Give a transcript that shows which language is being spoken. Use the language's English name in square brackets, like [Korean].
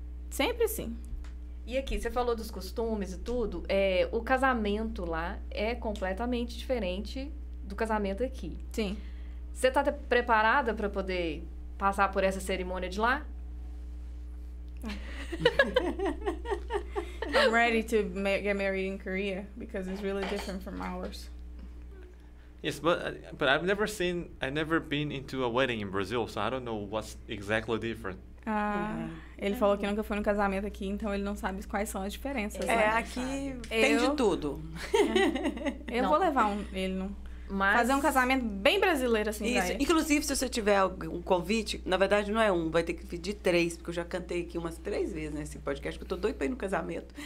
[Portuguese] Sempre sim. E aqui, você falou dos costumes e tudo. É, o casamento lá é completamente diferente do casamento aqui. Sim. Você tá preparada para poder passar por essa cerimônia de lá? [English] I'm ready to get married in Korea because it's really different from ours. Yes, but I've never seen, I've never been into a wedding in Brazil, so I don't know what's exactly different. [Portuguese] Ah, ele falou que nunca foi no casamento aqui, então ele não sabe quais são as diferenças. É, aqui tem de tudo. Eu vou levar ele, não. Mas... fazer um casamento bem brasileiro, assim, isso. Daí. Inclusive, se você tiver um convite, na verdade, não é um, vai ter que pedir três, porque eu já cantei aqui umas três vezes nesse podcast, que eu tô doido pra ir no casamento.